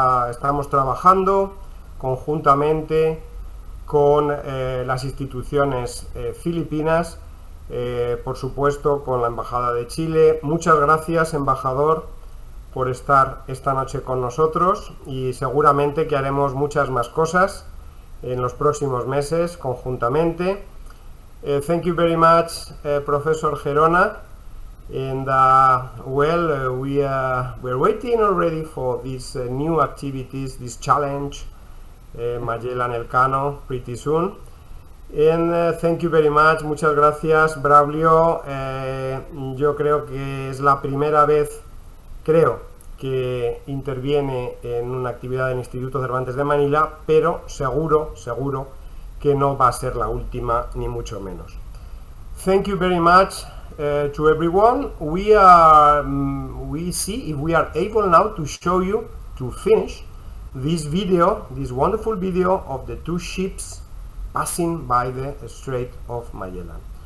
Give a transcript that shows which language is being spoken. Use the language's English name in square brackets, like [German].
[Spanish] Estamos trabajando conjuntamente con las instituciones filipinas, por supuesto con la Embajada de Chile. Muchas gracias, embajador, por estar esta noche con nosotros, y seguramente que haremos muchas más cosas en los próximos meses conjuntamente. [English] Thank you very much, Professor Gerona, and we're waiting already for these new activities, this challenge, Magellan Elcano, pretty soon. And thank you very much, [Spanish] muchas gracias, [English] Braulio. [Spanish] Yo creo que es la primera vez, creo, que interviene en una actividad del Instituto Cervantes de Manila, pero seguro que no va a ser la última, ni mucho menos. [English] Thank you very much to everyone. We see if we are able now to show you, to finish this video, this wonderful video of the two ships passing by the Strait of Magellan.